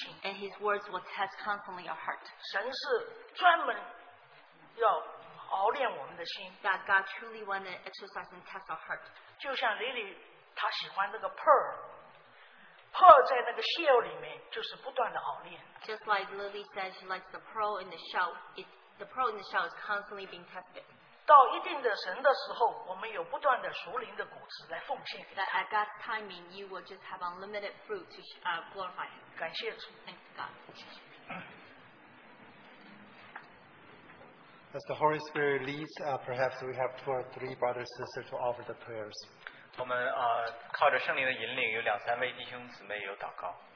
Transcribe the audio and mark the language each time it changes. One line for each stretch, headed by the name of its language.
English: And his words will test constantly our heart. That God truly wants to exercise and test our heart.
Chinese: 就像Lily他喜欢那个 pearl, pearl在那个shell里面就是不断的熬炼。
English: Just like Lily said, she likes the pearl in the shell. The pearl in the shell is constantly being tested.
Chinese: 到一定的神的时候，我们有不断的属灵的果子来奉献。
English: That at God's timing, you will just have unlimited fruit to glorify Him.
Chinese: 感谢主。
English: Thank God. As the Holy Spirit leads, perhaps we have two or three brothers and sisters to offer the prayers.
Chinese: 我们靠着圣灵的引领，有两三位弟兄姊妹有祷告。